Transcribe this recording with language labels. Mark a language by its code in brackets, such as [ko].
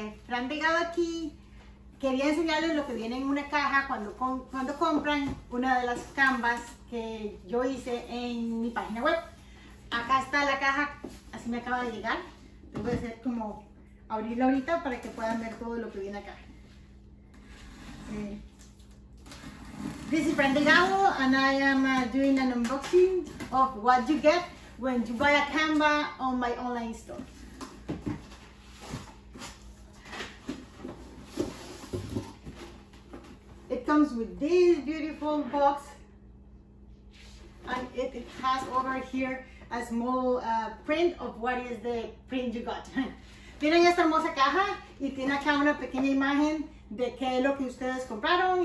[es] han llegado aquí, quería enseñarles lo que viene en una caja cuando compran una de las canvas que yo hice en mi página web. Acá está la caja, así me acaba de llegar. Voy a hacer como abrirla ahorita para que puedan ver todo lo que viene acá. [en] Dice, Brenda Gabo, and I am doing an unboxing of what you get when you buy a Canva on my online store. It comes with this beautiful box, and it has over here a small print of what is the print you got. [es] Tienen esta hermosa caja y tiene acá una pequeña imagen de qué es lo que ustedes compraron.